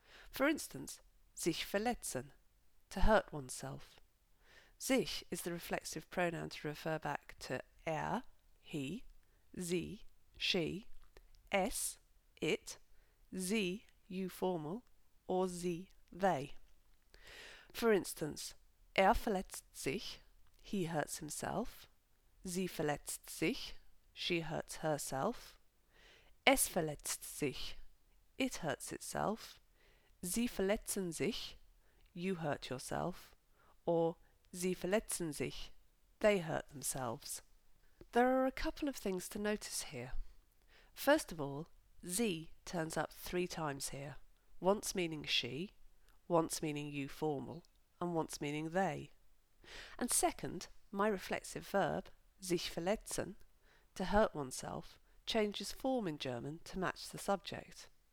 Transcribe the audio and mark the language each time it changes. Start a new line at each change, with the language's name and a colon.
English: For instance,
German: sich verletzen,
English: to hurt oneself. Sich is the reflexive pronoun to refer back to he, sie, she, es, it, sie, you formal, or sie, they. For instance,
German: verletzt sich,
English: he hurts himself,
German: sie verletzt sich,
English: she hurts herself,
German: es verletzt sich,
English: it hurts itself,
German: sie verletzen sich,
English: you hurt yourself, or sie verletzen sich, they hurt themselves. There are a couple of things to notice here. First of all, sie turns up three times here, once meaning she, once meaning you formal, and once meaning they. And second, my reflexive verb,
German: sich verletzen,
English: to hurt oneself, changes form in German to match the subject.